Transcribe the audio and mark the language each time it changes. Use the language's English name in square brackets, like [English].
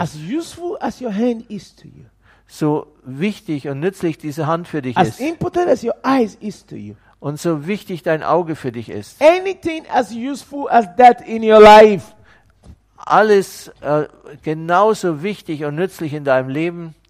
[English] As useful as your hand is to you. [German] So wichtig und nützlich diese Hand für dich [English] as [German] ist. [English] Important as your eyes is to you. [German] und so wichtig dein Auge für dich ist. [English] Anything as useful as that in your life. [German] Alles genauso wichtig und nützlich in deinem Leben,